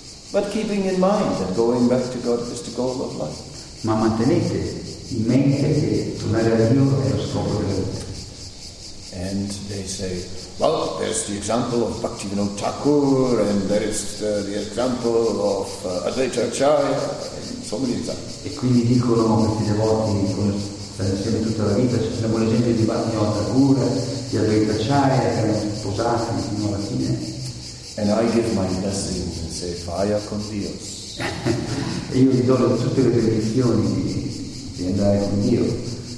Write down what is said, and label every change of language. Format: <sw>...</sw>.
<en>But keeping in mind that going back to God is the goal of life.</en> <it>Ma mantenete in mente che tornare a Dio è lo scopo della vita.</it> <en>And they say, well, there's the example of Bhaktivinoda Thakur, and there is the example of Advaita Acharya, and so many examples.</en> <it>E quindi dicono questi devoti insieme tutta la vita, ci sono l'esempio di Bhaktivinoda Thakur, di Advaita Acharya, che erano sposati fino alla fine.</it> <en>And I give my blessings and say,</en> <es>vaya con Dios.</es> <it>E io gli do tutte le benedizioni di andare con Dio.</it>